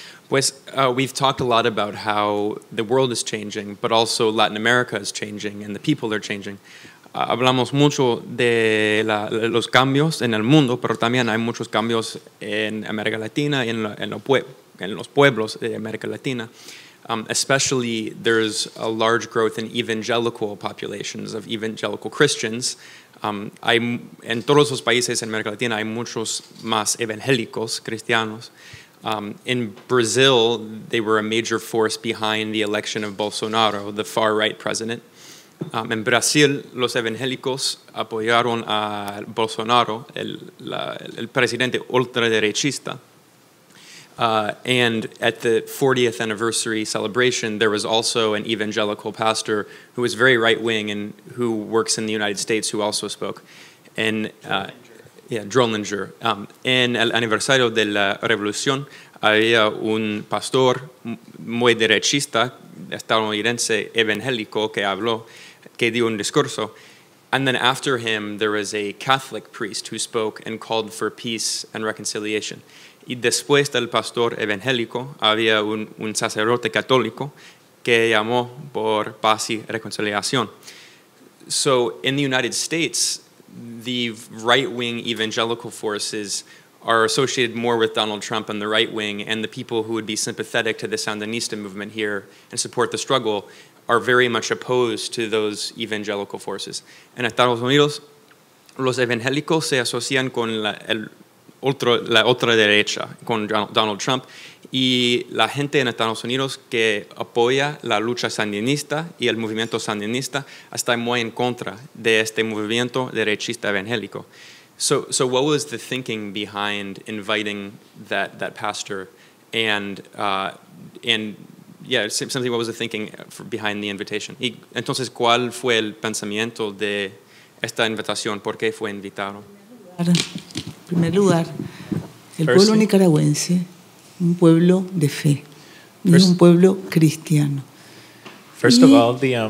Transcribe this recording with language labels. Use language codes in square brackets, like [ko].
[en] Pues, we've talked a lot about how the world is changing, but also Latin America is changing and the people are changing. [es] Hablamos mucho de los cambios en el mundo, pero también hay muchos cambios en América Latina y en los pueblos de América Latina. [en] Especially, there's a large growth in evangelical populations of evangelical Christians. [es] En todos los países en América Latina hay muchos más evangélicos cristianos. [en] In Brazil, they were a major force behind the election of Bolsonaro, the far-right president. [es] En Brasil, los evangélicos apoyaron a Bolsonaro, el presidente ultraderechista. [en] And at the 40th anniversary celebration, there was also an evangelical pastor who was very right-wing and who works in the United States who also spoke. And Drollinger. [es] En el aniversario de la revolución, había un pastor muy derechista, estadounidense, evangélico, que habló, que dio un discurso. [en] And then after him, there was a Catholic priest who spoke and called for peace and reconciliation. [es] Y después del pastor evangélico, había un sacerdote católico que llamó por paz y reconciliación. [en] So in the United States, the right-wing evangelical forces are associated more with Donald Trump and the right wing, and the people who would be sympathetic to the Sandinista movement here and support the struggle are very much opposed to those evangelical forces. [es] En Estados Unidos, los evangélicos se asocian con la otra derecha, con Donald Trump, y la gente en Estados Unidos que apoya la lucha sandinista y el movimiento sandinista está muy en contra de este movimiento derechista evangélico. [en] So what was the thinking behind inviting that pastor, and what was the thinking behind the invitation? [es] Y entonces, ¿cuál fue el pensamiento de esta invitación? ¿Por qué fue invitado? En primer lugar, el pueblo nicaragüense, un pueblo de fe, es un pueblo cristiano. [en] First of all,